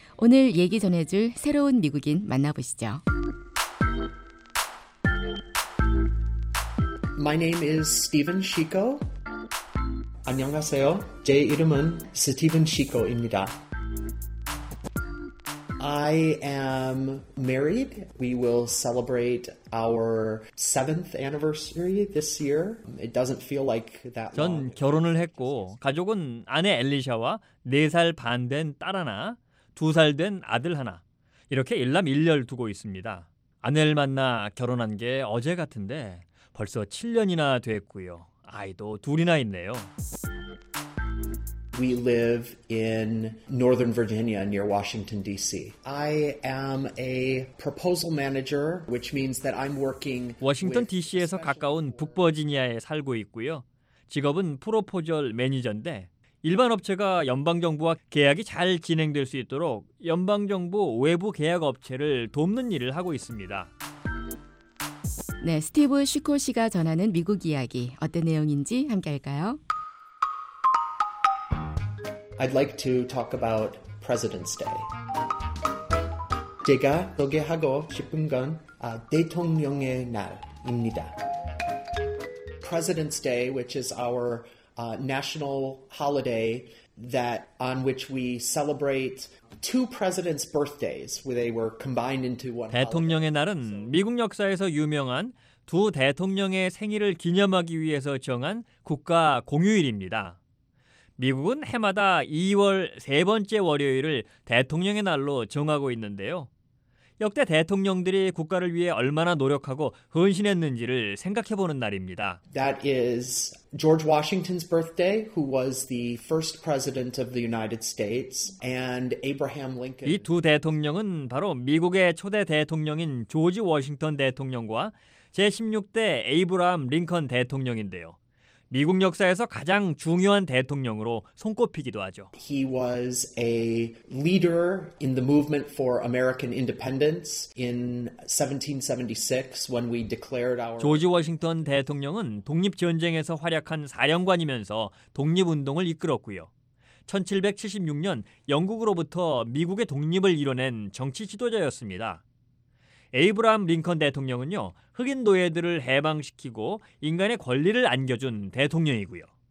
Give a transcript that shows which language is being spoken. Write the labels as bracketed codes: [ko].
[ko] 오늘 얘기 전해줄 새로운 미국인 만나보시죠. [en] My name is Stephen Chico. [ko] 안녕하세요. 제 이름은 스티븐 시코입니다. [en] I am married. We will celebrate our 7th anniversary this year. It doesn't feel like that long. [ko] 전 결혼을 했고 가족은 아내 엘리샤와 4살 반 된 딸 하나, 2살 된 아들 하나 이렇게 일남일녀를 두고 있습니다. 아내를 만나 결혼한 게 어제 같은데 벌써 7년이나 됐고요. 아이도 둘이나 있네요. [en] We live in Northern Virginia near Washington, D.C. I am a proposal manager, which means that I'm working with... [ko] 워싱턴 D.C.에서 가까운 북버지니아에 살고 있고요. 직업은 프로포절 매니저인데 일반 업체가 연방정부와 계약이 잘 진행될 수 있도록 연방정부 외부 계약 업체를 돕는 일을 하고 있습니다. 네, 스티브 시코 씨가 전하는 미국 이야기 어떤 내용인지 함께 할까요? [en] I'd like to talk about President's Day. [ko] 제가 소개하고 싶은 건 대통령의 날입니다. [en] President's Day, which is our national holiday that on which we celebrate two presidents' birthdays, where they were combined into one. Holiday. [ko] 대통령의 날은 미국 역사에서 유명한 두 대통령의 생일을 기념하기 위해서 정한 국가 공휴일입니다. 미국은 해마다 2월 세 번째 월요일을 대통령의 날로 정하고 있는데요. 역대 대통령들이 국가를 위해 얼마나 노력하고 헌신했는지를 생각해보는 날입니다. [en] That is George Washington's birthday, who was the first president of the United States, and Abraham Lincoln. [ko] 이 두 대통령은 바로 미국의 초대 대통령인 조지 워싱턴 대통령과 제16대 에이브라함 링컨 대통령인데요. 미국 역사에서 가장 중요한 대통령으로 손꼽히기도 하죠. [en] He was a leader in the movement for American independence in 1776 when we declared our [ko] 조지 워싱턴 대통령은 독립 전쟁에서 활약한 사령관이면서 독립 운동을 이끌었고요. 1776년 영국으로부터 미국의 독립을 이뤄낸 정치 지도자였습니다. 에이브라함 링컨 대통령은요, 흑인 노예들을 해방시키고 인간의 권리를 안겨준 대통령이고요.